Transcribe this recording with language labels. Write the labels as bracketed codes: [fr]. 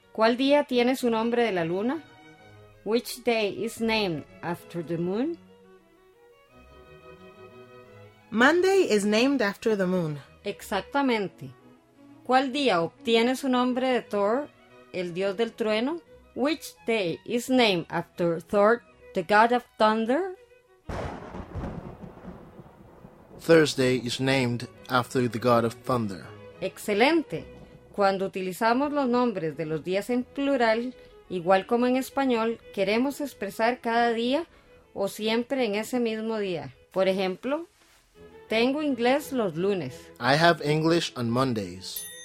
[es] ¿Cuál día tiene su nombre de la luna? [en] Which day is named after the moon? Monday is named after the moon. [es] Exactamente. ¿Cuál día obtiene su nombre de Thor, el dios del trueno? [en] Which day is named after Thor, the god of thunder? Thursday is named after the god of thunder. [es] ¡Excelente! Cuando utilizamos los nombres de los días en plural, igual como en español, queremos expresar cada día o siempre en ese mismo día. Por ejemplo, tengo inglés los lunes. [en] I have English on Mondays.